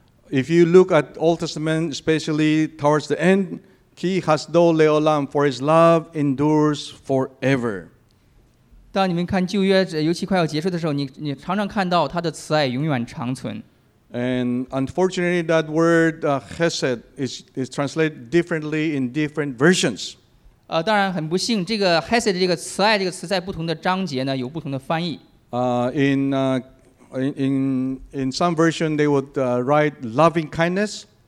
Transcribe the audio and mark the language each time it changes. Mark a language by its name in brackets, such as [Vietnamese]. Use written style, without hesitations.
[English] If you look at Old Testament, especially towards the end. [Hebrew] Ki hasdo leolam, [English] for his love endures forever. [Chinese] 当你们看旧约，尤其快要结束的时候，你常常看到他的慈爱永远长存。 [English] And unfortunately, that word chesed is translated differently in different versions. [Chinese] 当然很不幸，这个 chesed 这个慈爱这个词在不同的章节呢有不同的翻译。 [English] In some version, they would write loving kindness.